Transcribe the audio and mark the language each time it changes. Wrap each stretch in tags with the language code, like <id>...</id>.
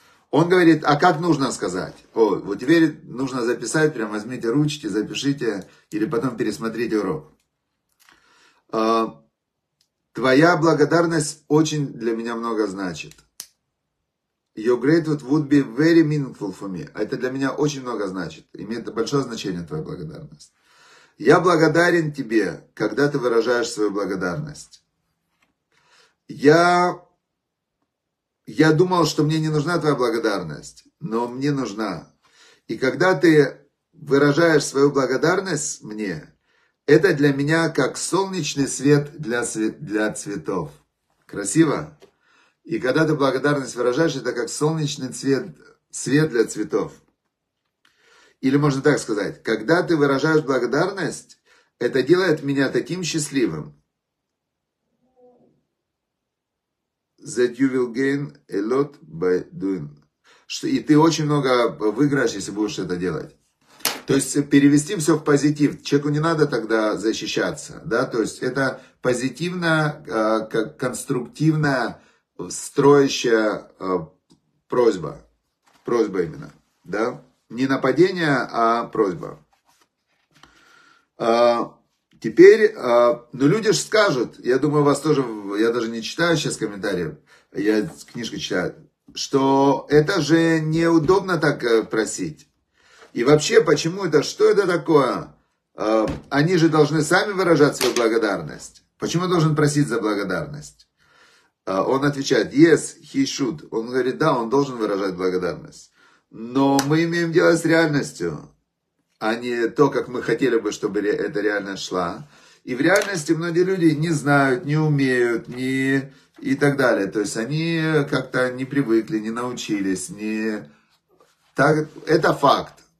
<ru>Он говорит, а как нужно сказать? О, вот теперь нужно записать, прям возьмите ручки, запишите или потом пересмотрите урок. Твоя благодарность очень для меня много значит.</ru> <en>Your gratitude would be very meaningful for me.</en> <ru>Это для меня очень много значит. Имеет большое значение твоя благодарность. Я благодарен тебе, когда ты выражаешь свою благодарность. Я думал, что мне не нужна твоя благодарность, но мне нужна. И когда ты выражаешь свою благодарность мне, это для меня как солнечный свет для цветов. Красиво? И когда ты благодарность выражаешь, это как солнечный свет для цветов. Или можно так сказать, когда ты выражаешь благодарность, это делает меня таким счастливым.</ru> <en>That you will gain a lot by doing.</en> <ru>И ты очень много выиграешь, если будешь это делать. То есть перевести все в позитив. Человеку не надо тогда защищаться. Да? То есть это позитивная, конструктивная, строящая просьба. Просьба именно. Да? Не нападение, а просьба. Теперь, люди же скажут, я думаю, вас тоже, я даже не читаю сейчас комментарии, я книжку читаю, что это же неудобно так просить. И вообще, почему это, что это такое? Они же должны сами выражать свою благодарность. Почему должен просить за благодарность? Он отвечает,</ru> <en>yes, he should.</en> <ru>Он говорит, да, он должен выражать благодарность. Но мы имеем дело с реальностью, а не то, как мы хотели бы, чтобы эта реальность шла. И в реальности многие люди не знают, не умеют, не... и так далее. То есть они как-то не привыкли, не научились. Не... Так... Это факт.</ru>